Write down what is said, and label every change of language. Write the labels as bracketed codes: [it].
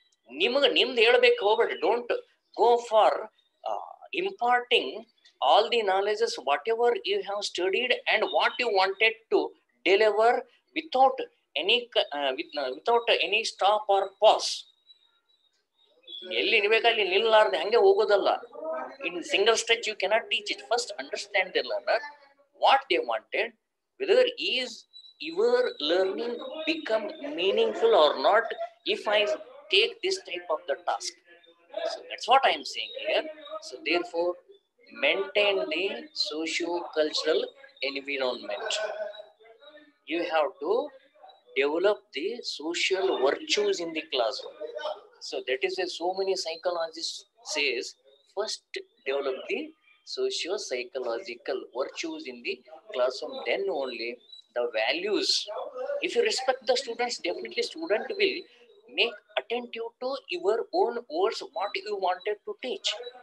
[kn] Nimage nimde helbeku hobadi, [en] don't go for imparting all the knowledges whatever you have studied and what you wanted to deliver without any without any stop or pause. [kn] ಎಲ್ಲಿ ನಿಬೇಕಲ್ಲಿ ನಿಲ್ಲಾರ್ದೆ ಹಂಗೆ ಹೋಗೋದಲ್ಲ. [en] In single stretch you cannot teach it. First understand the learner what they wanted, whether is your learning become meaningful or not if I take this type of the task. So that's what I am saying here. So therefore maintain the socio cultural environment. You have to develop the social virtues in the classroom. So that is why so many psychologists says first develop the socio-psychological virtues in the classroom, then only the values. If you respect the students, definitely student will make attentive to your own words, what you wanted to teach.